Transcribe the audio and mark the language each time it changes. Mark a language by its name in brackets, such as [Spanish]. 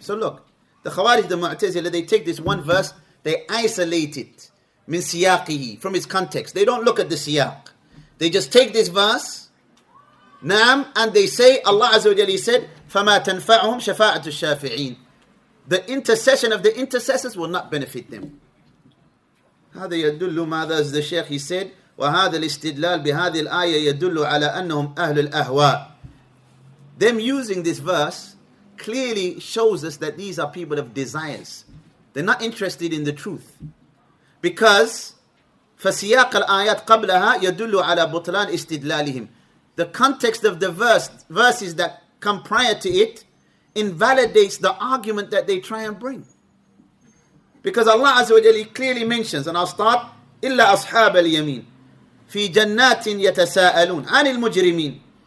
[English] So look, the Khawarij, the Mu'tazila, they take this one verse, they isolate it [Arabic] مِنْ سِيَاقِهِ, [English] from its context. They don't look at the siyaq. They just take this verse, نعم, and they say, Allah Azza wa Jal, he said, [Arabic] فَمَا تَنْفَعُهُمْ شَفَاعَةُ الشَّافِعِينَ. [English] The intercession of the intercessors will not benefit them. [Arabic] هذا يدل ماذا, [English] as the Shaykh he said, [Arabic] وهذا الاستدلال بهذه الآية يدل على أنهم أهل الأهواء. [English] Them using this verse clearly shows us that these are people of desires. They're not interested in the truth. [Arabic] Because فسياق الآيات قبلها يدل على بطلان استدلالهم. [English] The context of the verses that come prior to it invalidates the argument that they try and bring. Because Allah Azza wa Jalla clearly mentions, and I'll start, [Arabic] إِلَّا أَصْحَابَ الْيَمِينَ فِي جَنَّاتٍ يَتَسَاءَلُونَ عَنِ الْمُجْرِمِينَ.